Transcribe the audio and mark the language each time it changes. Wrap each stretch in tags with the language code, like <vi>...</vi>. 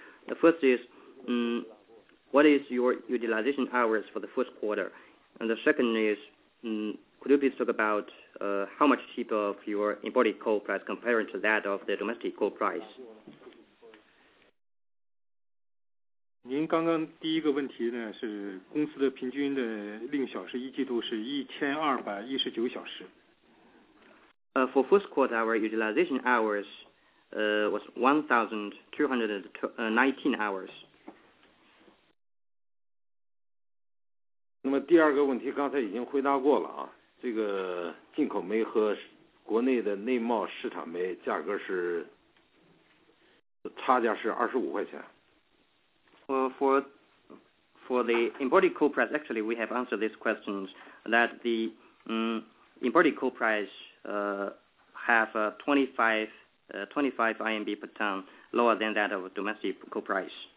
<en>The first is, what is your utilization hours for the first quarter? And the second is, could you please talk about how much cheaper of your imported coal price compared to that of the domestic coal price?</en> <zh>您刚刚第一个问题呢，是公司的平均的利用小时一季度是1219小时。</zh> <en>For first quarter, our utilization hours was 1,219 hours.</en> <zh>那么第二个问题刚才已经回答过了啊，这个进口煤和国内的内贸市场煤价格是差价是25块钱。</zh> <en>For the imported coal price, actually, we have answered these questions that the imported coal price have 25 RMB per ton, lower than that of domestic coal price.</en>